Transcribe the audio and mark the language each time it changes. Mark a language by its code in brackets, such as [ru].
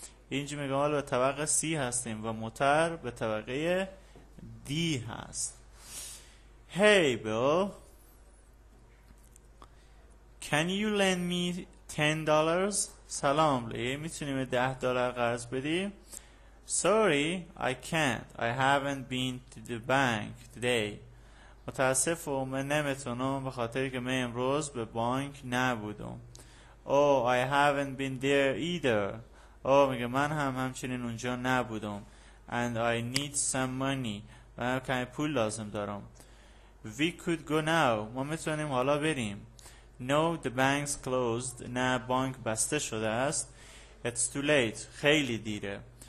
[fa] اینجا میگه حالا به طبقه C هستیم و موتر به طبقه D هست. [en] Hey Bill, can you lend me $10? [fa] سلام لیه، میتونیم $10 قرض بدیم؟ [en] Sorry, I can't. I haven't been to the bank today. [fa] متاسفم، من نمیتونم به خاطر که من امروز به بانک نبودم. [en] Oh, I haven't been there either. [fa] Oh, میگه من هم همچنین اونجا نبودم. [en] And I need some money. [fa] من کمی پول لازم دارم. [en] We could go now. [fa] ما میتونیم حالا بریم. [en] No, the bank's closed. [fa] نه، بانک بسته شده است. [en] It's too late. [fa] خیلی دیره.